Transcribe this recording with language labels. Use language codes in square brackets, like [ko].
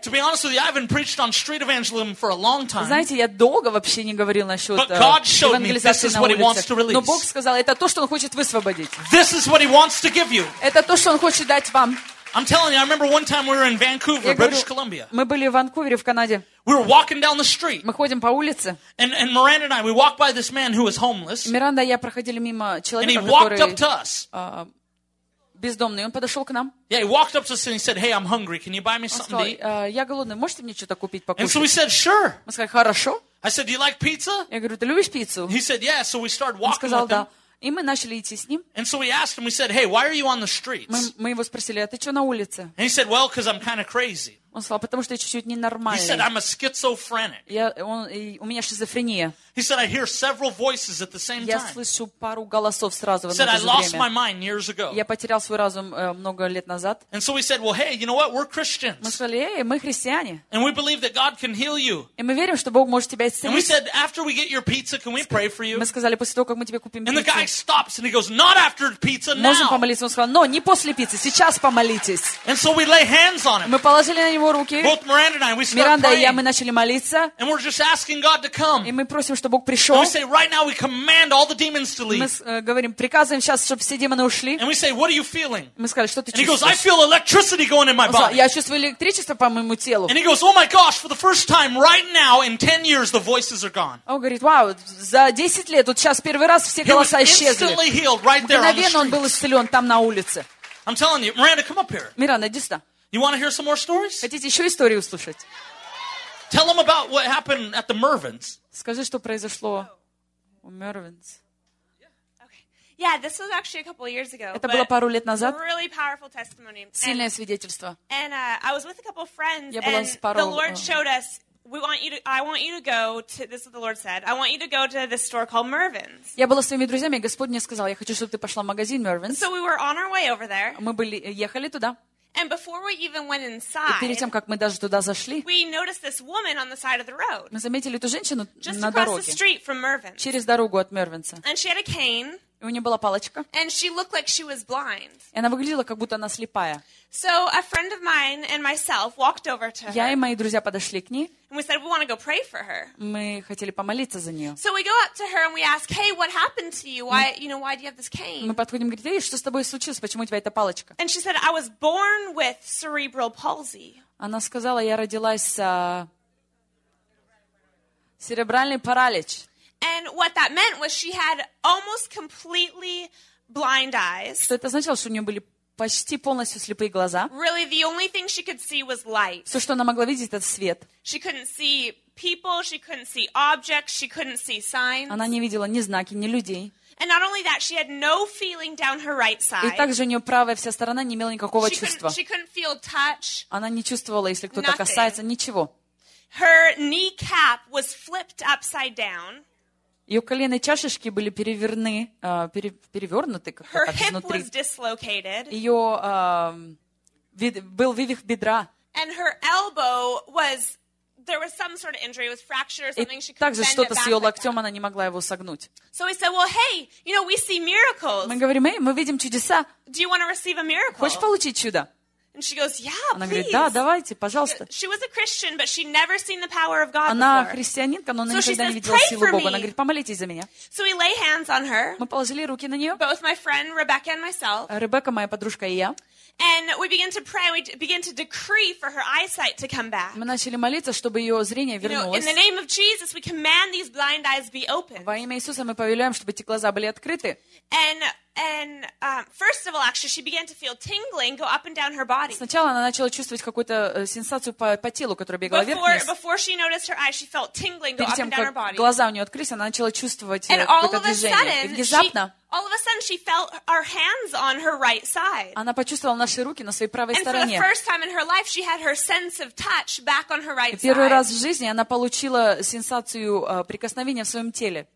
[en] To be honest with you, I haven't preached on street evangelism for a long time. [ru] Знаете, я долго вообще не говорил насчет евангелизации на улице. [en] But God showed me this is what He wants to release. [ru] Но Бог сказал, это то, что Он хочет высвободить. [en] This is what He wants to give you. [ru] Это то, что Он хочет дать вам. [en] I'm telling you, I remember one time we were in Vancouver, [ru] говорю, [en] British Columbia. [ru] Мы были в Ванкувере, в Канаде. [en] We were walking down the street. [ru] Мы ходим по улице. [en] And Miranda and I, we walked by this man who was homeless. [ru] Миранда и я проходили мимо человека, [en] and he walked up to us. [ru] Бездомный, он подошел к нам. [en] Yeah, he walked up to us and he said, "Hey, I'm hungry. Can you buy me something [ru] сказал, [en] to eat?" [ru] Я голодный, можете мне что-то купить, покушать? [en] And so we said, "Sure." [ru] Мы сказали, хорошо. [en] I said, "Do you like pizza?" [ru] Я говорю, ты любишь пиццу? [en] He said, "Yeah." So we started walking [ru] сказал, [en] with him. [ru] Да. И мы начали идти с ним. [en] And so we asked him, we said, "Hey, why are you on the streets?" [ru] Мы его спросили, а ты что на улице? [en] And he said, "Well, because I'm kind of crazy." [ru] Он сказал, потому что я чуть-чуть ненормальный. [en] He said, "I'm a schizophrenic." [ru] У меня шизофрения. [en] He said, "I hear several voices at the same time." [ru] Я слышу пару голосов сразу в одно время. [en] He said, "I lost my mind years ago." [ru] Я потерял свой разум много лет назад. [en] And so we said, "Well, hey, you know what? We're Christians." [ru] Мы сказали, эй, мы христиане. [en] And we believe that God can heal you. [ru] И мы верим, что Бог может тебя исцелить. [en] And we said, "After we get your pizza, can we pray for you?" [ru] Мы сказали, после того, как мы тебе купим пиццу. [en] And the guy stops and he goes, "Not after pizza, now." [ru] Можем помолиться? Он сказал, но не после пиццы, сейчас помолитесь. [en] And so we lay hands on him. [ru] Мы положили на него [en] Both Miranda and I, we start Miranda praying. [ru] И я, мы начали молиться. [en] And we're just asking God to come. [ru] И мы просим, чтобы Бог пришел. [en] And we say, right now we command all the demons to leave. [ru] Мы говорим, приказываем сейчас, чтобы все демоны ушли. [en] And we say, what are you feeling? [ru] Мы сказали, что ты [en] and [ru] чувствуешь? [en] And he goes, I feel electricity going in my body. [ru] Я чувствую электричество по моему телу. [en] And he goes, oh my gosh, for the first time right now in 10 years the voices are gone. [ru] Он говорит, вау, за 10 лет, вот сейчас первый раз все голоса исчезли. [en] He was instantly healed right there on the street. [ru] Мгновенно он был исцелен там на улице. [en] I'm telling you, Miranda, come up here. [ru] Miranda, иди сюда. [en] You want to hear some more stories? [ru] Хотите еще истории услышать? [en] Tell them about what happened at the Mervyn's. [ru] Скажи, что произошло у Mervyn's. [en] Yeah, this was actually a couple of years ago. [ru] Это было пару лет назад. [en] Really powerful testimony. [ru] Сильное свидетельство. [en] And I was with a couple of friends, and the Lord showed us. I want you to go to this store called Mervyn's. [ru] Я была с своими друзьями, и Господь мне сказал, я хочу, чтобы ты пошла в магазин Mervyn's. [en] So we were on our way over there. [ru] Мы были ехали туда. [en] And before we even went inside, [ru] и перед тем, как мы даже туда зашли, [en] we noticed this woman on the side of the road. [ru] Мы заметили эту женщину [en] just [ru] на дороге. [en] Across the street from Mervyn's. [ru] Через дорогу от Мервинса. [en] And she had a cane. [ru] И у нее была палочка. [en] And she looked like she was blind. [ru] И она выглядела, как будто она слепая. [en] So a friend of mine and myself walked over to her. [ru] Я и мои друзья подошли к ней. [en] And we said we want to go pray for her. [ru] Мы хотели помолиться за нее. [en] So we go up to her and we ask, "Hey, what happened to you? Why, you know, why do you have this cane?" [ru] Мы подходим и говорим, "Эй, что с тобой случилось? Почему у тебя эта палочка?" [en] And she said, "I was born with cerebral palsy." [ru] Она сказала, я родилась с церебральный паралич. [en] And what that meant was she had almost completely blind eyes. [ru] Что это означало, что у нее были почти полностью слепые глаза. [en] Really, the only thing she could see was light. [ru] Все, что она могла видеть, это свет. [en] She couldn't see people, she couldn't see objects, she couldn't see signs. [ru] Она не видела ни знаки, ни людей. [en] And not only that, she had no feeling down her right side. [ru] И также у нее правая вся сторона не имела никакого чувства. [en] She couldn't feel touch. [ru] Она не чувствовала, если кто-то [en] nothing. [ru] Касается, ничего. [en] Her kneecap was flipped upside down. [ru] Ее колено и чашечки были перевернуты как-то [en] her [ru] так внутри. [en] Hip was dislocated. [ru] Ее был вывих бедра. [en] And her elbow was, there was some sort of injury, it was fracture or something. [ru] И также что-то с ее локтем она не могла его согнуть. [en] So we said, well, hey, you know, we see miracles. [ru] Мы говорим, эй, мы видим чудеса. [en] Do you want to receive a miracle? [ru] Хочешь получить чудо? [en] And she goes, yeah, [ru] она [en] please. [ru] Говорит, да, давайте, пожалуйста. [en] She was a Christian, but she'd never seen the power of God [ru] она [en] before. [ru] Христианинка, но она [en] so [ru] никогда [en] says, [ru] не видела силу Бога. Она говорит, помолитесь за меня. [en] So we lay hands on her. [ru] Мы положили руки на нее. [en] Both my friend Rebecca and myself. [ru] Ребекка, моя подружка и я. [en] And we begin to pray, we begin to decree for her eyesight to come back. [ru] Мы начали молиться, чтобы её зрение вернулось. [en] You know, in the name of Jesus, we command these blind eyes be opened. [ru] Во имя Иисуса мы повелеваем, чтобы эти глаза были открыты. [en] And first of all, actually, she began to feel tingling go up and down her body. [ru] Сначала она начала чувствовать какую-то сенсацию по телу, которая бегала вверх. [en] Before she noticed her eyes, she felt tingling go up and down her body. [ru] Глаза у неё открылись, она начала чувствовать какое-то движение. [en] And all of a sudden, she felt our hands on her right side. [ru] Она почувствовала наши руки на своей правой стороне. [en] And for the first time in her life, she had her sense of touch back on her right side. [ru] Первый раз в жизни она получила сенсацию прикосновения в своем теле.